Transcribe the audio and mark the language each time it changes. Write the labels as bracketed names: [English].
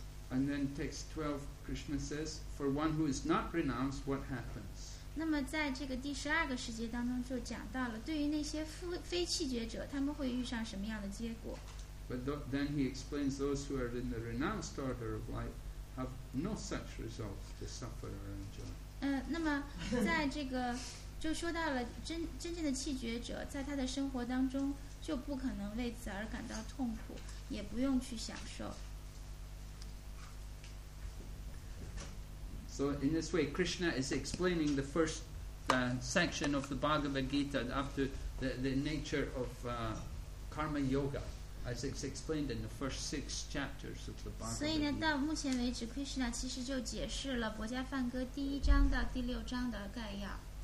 [English] And then text 12, Krishna says, "For one who is not renounced, what happens?" [Chinese] 那么在这个第十二个世界当中就讲到了，对于那些非弃绝者，他们会遇上什么样的结果 [English] ？But then he explains those who are in the renounced order of life have no such results to suffer or enjoy. [Chinese] 那么在这个就说到了真正的弃绝者，在他的生活当中就不可能为此而感到痛苦，也不用去享受。 [English] So in this way, Krishna is explaining the first section of the Bhagavad Gita after the nature of Karma Yoga, as it's explained in the first six chapters of the Bhagavad Gita. [Chinese] 所以呢，到目前为止 ，Krishna 其实就解释了《薄伽梵歌》第一章到第六章的概要。